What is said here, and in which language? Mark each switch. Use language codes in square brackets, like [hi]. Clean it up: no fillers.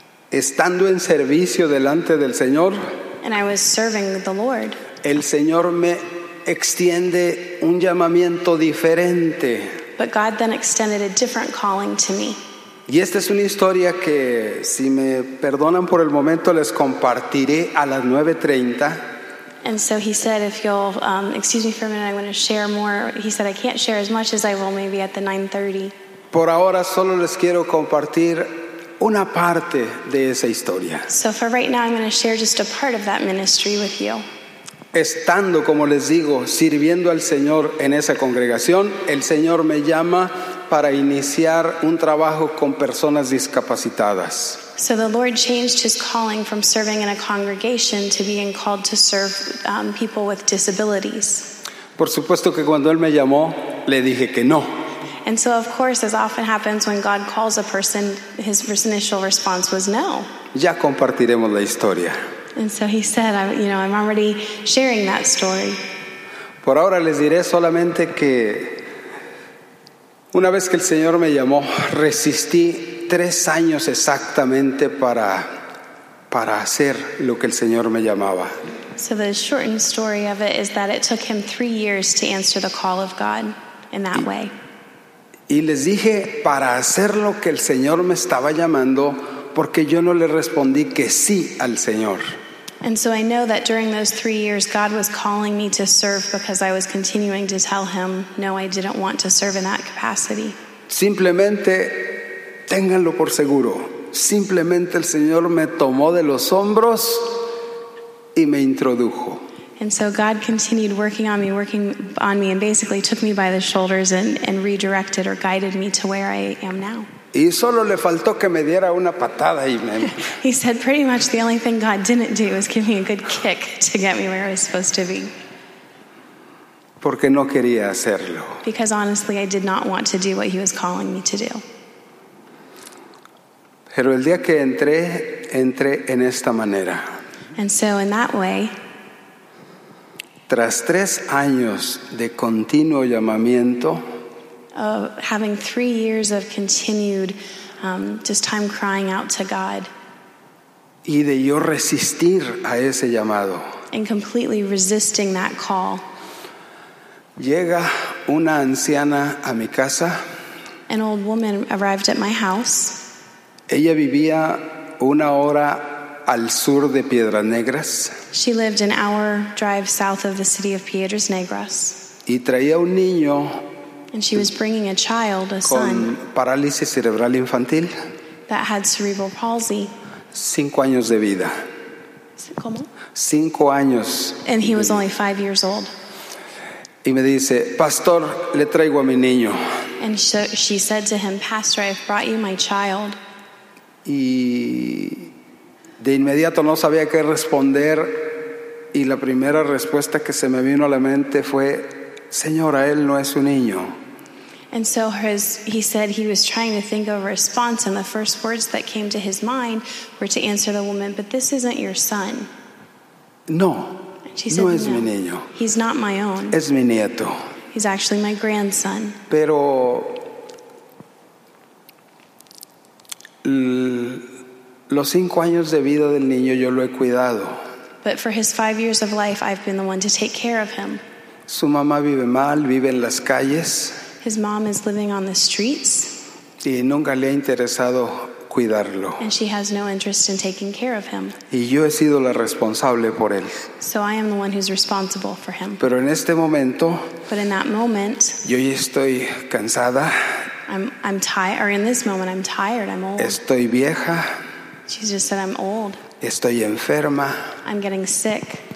[es] Estando en servicio delante del Señor, [en] and I was serving the Lord, [es] el Señor me extiende un llamamiento diferente. [en] But God then extended a different calling to me. [es] Y esta es una historia que, si me perdonan por el momento, les compartiré a las 9:30. [en] And so he said, if you'll excuse me for a minute, I'm going to share more. He said, I can't share as much as I will maybe at the 9:30. [es] Por ahora solo les quiero compartir una parte de esa historia. [en] So for right now, I'm going to share just a part of that ministry with you. [es] Estando, como les digo, sirviendo al Señor en esa congregación, el Señor me llama para iniciar un trabajo con personas discapacitadas. [en] So the Lord changed his calling from serving in a congregation to being called to serve people with disabilities. [es] Por supuesto que cuando él me llamó, le dije que no. [en] And so, of course, as often happens when God calls a person, his initial response was no. [es] Ya compartiremos la historia. [en] And so he said, I'm already sharing that story. [es] Por ahora les diré solamente que una vez que el Señor me llamó, resistí tres años exactamente para hacer lo que el Señor me llamaba. [en] So the shortened story of it is that it took him 3 years to answer the call of God in that way. [es] Y les dije, para hacer lo que el Señor me estaba llamando, porque yo no le respondí que sí al Señor. [en] And so I know that during those 3 years, God was calling me to serve because I was continuing to tell him, no, I didn't want to serve in that capacity. [es] Simplemente, ténganlo por seguro. Simplemente el Señor me tomó de los hombros y me introdujo. [en] And so God continued working on me and basically took me by the shoulders and redirected or guided me to where I am now. [es] Y solo le faltó que me diera una patada y me... [en] He said pretty much the only thing God didn't do was give me a good kick to get me where I was supposed to be. [es] Porque no quería hacerlo. [en] Because honestly, I did not want to do what he was calling me to do. [es] Pero el día que entré en esta manera. [en] And so in that way, [es] tras 3 años de continuo llamamiento, [en] having 3 years of continued just time crying out to God, [es] y de yo resistir a ese llamado, [en] and completely resisting that call, [es] llega una anciana a mi casa. [en] An old woman arrived at my house. [es] Ella vivía una hora al sur de Piedras Negras. [en] She lived an hour drive south of the city of Piedras Negras. [es] Y traía un niño. [en] And she was bringing a child, a [es] con [en] son. [es] Parálisis cerebral infantil. [en] That had cerebral palsy. [es] 5 años de vida. ¿Cómo? 5 años. [en] And he was only 5 years old. [es] Y me dice, Pastor, le traigo a mi niño. [en] And she said to him, Pastor, I've brought you my child. [es] Y de inmediato no sabía qué responder, y la primera respuesta que se me vino a la mente fue, Señora, él no es un niño. [en] And so he said he was trying to think of a response, and the first words that came to his mind were to answer the woman, but this isn't your son. [es] No, [en] she said, [es] no es mi niño. [en] He's not my own. [es] Es mi nieto. [en] He's actually my grandson. [es] Pero los 5 años de vida del niño yo lo he cuidado. [en] But for his 5 years of life, I've been the one to take care of him. [es] Su mamá vive mal, vive en las calles. [en] His mom is living on the streets. [es] Y nunca le ha interesado cuidarlo. [en] And she has no interest in taking care of him. [es] Y yo he sido la responsable por él. [en] So I am the one who's responsible for him. [es] Pero en este momento, [en] but in that moment, [es] yo ya estoy cansada. [en] I'm tired, or in this moment, I'm tired, I'm old. [es] Estoy vieja. [en] She just said, I'm old. [es] Estoy enferma. [en] I'm getting sick.